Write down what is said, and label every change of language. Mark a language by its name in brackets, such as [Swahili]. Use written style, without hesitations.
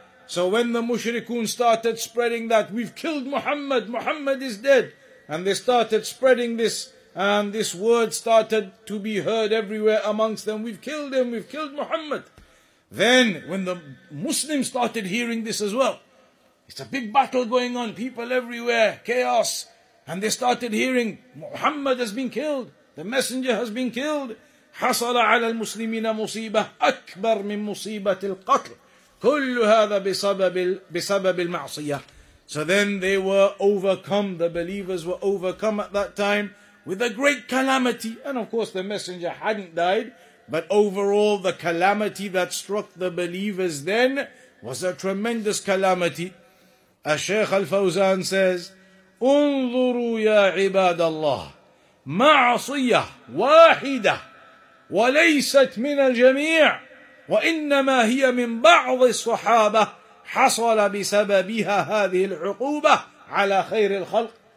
[English] So when the mushrikun started spreading that, we've killed Muhammad, Muhammad is dead, and they started spreading this, and this word started to be heard everywhere amongst them, we've killed him, we've killed Muhammad. Then when the Muslims started hearing this as well, It's a big battle going on, people everywhere, chaos. And they started hearing, Muhammad has been killed, the messenger has been killed. [Arabic] حصل على المسلمين مصيبة أكبر من مصيبة القتل. كل هذا بسبب المعصية. [English] So then they were overcome, the believers were overcome at that time with a great calamity. And of course the messenger hadn't died, but overall the calamity that struck the believers then was a tremendous calamity. As Shaykh Al-Fawzan says, [Arabic] انظروا يا عباد الله معصية واحدة وليست من الجميع وإنما هي من بعض الصحابة حصل بسببها هذه العقوبة على خير الخلق.